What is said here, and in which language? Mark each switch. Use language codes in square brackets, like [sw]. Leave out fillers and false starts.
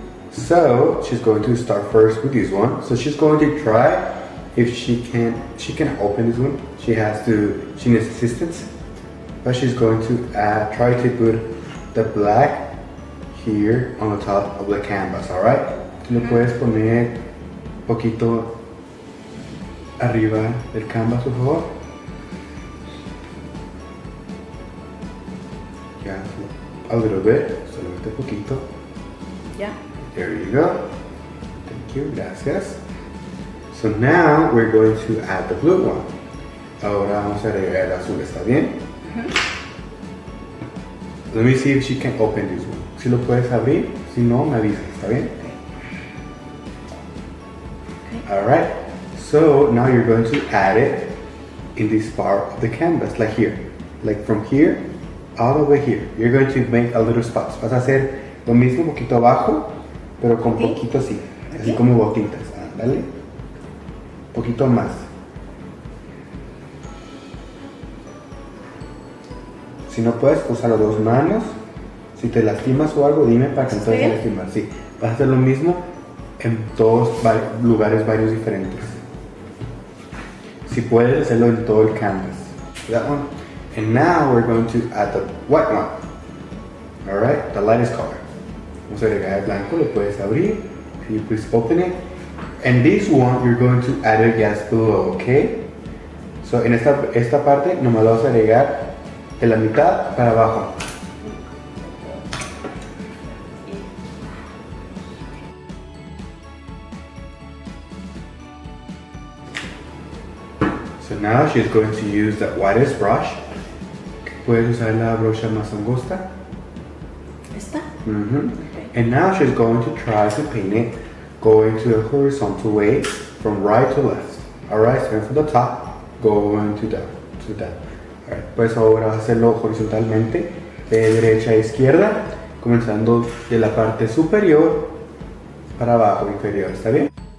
[en] So she's going to start first with this one. So she's going to try if she can. She can open this one. She has to. She needs assistance. But she's going to try to put the black here on the top of the canvas. All right. [es] ¿Me puedes poner poquito arriba del canvas, por favor? [en] Yeah, a little bit. [es] Solamente poquito. [en] Yeah. There you go. Thank you. [es] Gracias. [en] So now we're going to add the blue one. [es] Ahora vamos a agregar el azul. ¿Está bien? Mm-hmm. [en] Let me see if she can open this one. [es] Si lo puedes abrir. Si no, me avisas. ¿Está bien? [en] Alright, so now you're going to add it in this part of the canvas, like here. Like from here, all the way here. You're going to make a little spot. [es] Vas a hacer lo mismo, poquito abajo, pero con poquito así. Así como gotitas. Dale. Poquito más. Si no puedes, usa las dos manos. Si te lastimas o algo, dime para que entonces te lastimas. Sí, vas a hacer lo mismo. En todos lugares varios diferentes. Si puedes hacerlo en todo el canvas. [en] That one. And now we're going to add the white one. Alright, the lightest color. [es] Vamos a agregar el blanco, lo puedes abrir. [en] Can you please open it? And this one you're going to add it just below, okay? [es] So en esta parte nomás lo vas a agregar de la mitad para abajo. [en] So now she's going to use the widest brush. [es] ¿Puedes usar la brocha más angosta? ¿Esta? [en] Mm-hmm. Okay. And now she's going to try to paint it going to the horizontal way from right to left. Alright, starting from the top, going to down. To down. [es] Alright, pues ahora vas a hacerlo horizontalmente, de derecha a izquierda, comenzando de la parte superior para abajo, inferior, ¿está bien?